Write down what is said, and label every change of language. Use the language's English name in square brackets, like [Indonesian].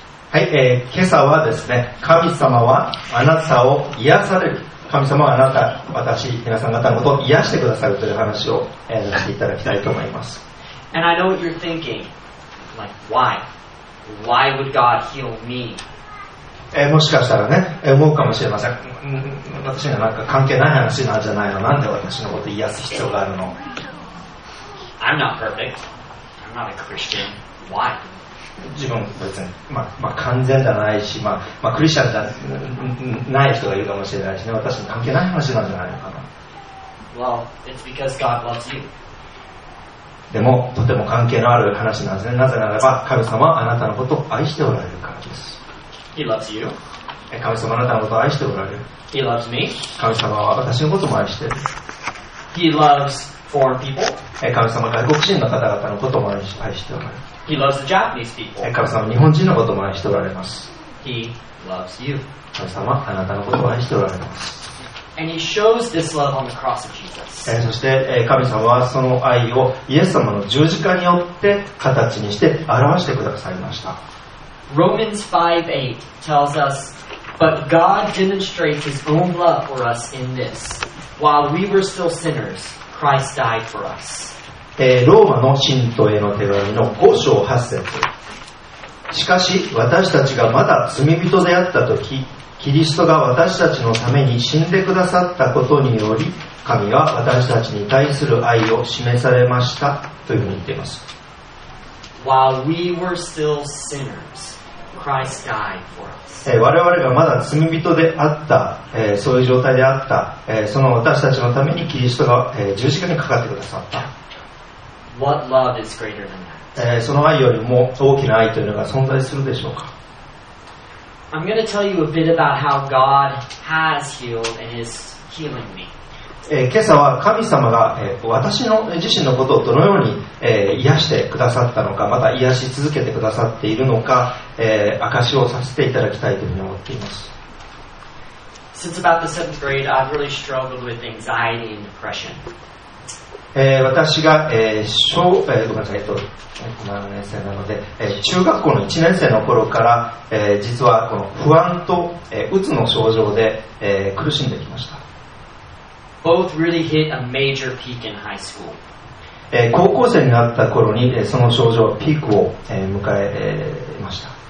[Japanese] はい、今朝はですね、神様はあなたを癒される。神様はあなた、私、皆さん方のことを癒してくださるという話を、していただきたいと思います。 [English] And I know what you're thinking, like why? Why would God heal me? [Japanese] もしかしたらね、思うかもしれません。私がなんか関係ない話なんじゃないの、なんで私のこと癒す必要があるの。 [English] I'm not perfect. I'm not a Christian. Why? [Japanese] 自分は別に、まあ、完全じゃないし、まあ、クリスチャンじゃない人がいるかもしれないしね、私に関係ない話なんじゃないのかな。 [English] Well, it's because God loves you. [Japanese] でも、とても関係のある話なんですね。なぜならば、神様はあなたのことを愛しておられるからです。 [English] He loves you. [Japanese] 神様はあなたのことを愛しておられる。 [English] He loves me. [Japanese] 神様は私のことも愛している。 [English] He loves foreign people. [Japanese] 神様は外国人の方々のことも愛しておられ [English] る。He loves the Japanese people. [Japanese] 神様は日本人のことも愛しておられます。 [English] He loves you. [Japanese] 神様はあなたのことも愛しておられます。 [English] And he shows this love on the cross of Jesus. [Japanese] そして神様はその愛をイエス様の十字架によって形にして表してくださいました。 [English] Romans 5:8 tells us, But God demonstrates his own love for us in this, while we were still sinners. Christ died for us. [Japanese] ローマの信徒への手紙の5章8節。しかし私たちがまだ罪人であったとき、キリストが私たちのために死んでくださったことにより、神は私たちに対する愛を示されましたというふうに言っています。 [English] While we were still sinners, Christ died for us. [Japanese] 我々がまだ罪人であった、そういう状態であった、その私たちのためにキリストが、十字架にかかってくださった。 [English] What love is greater than that? [Japanese] その愛よりも大きな愛というのが存在するでしょうか。 [English] I'm going to tell you a bit about how God has healed and is healing me. [Japanese] 今朝は神様が、私の自身のことをどのように、癒してくださったのか、また癒し続けてくださっているのか、証しをさせていただきたいというふうに思っています。 [English] Since about the 7th grade, I've really struggled with anxiety and depression. [Japanese] 私が、小、ごめんなさい、7年生なので、中学校の1年生の頃から、実はこの不安と、うつの症状で、苦しんできました。 [English] Both really hit a major peak in high school. [Japanese] 高校生になった頃に、その症状ピークを、迎えました。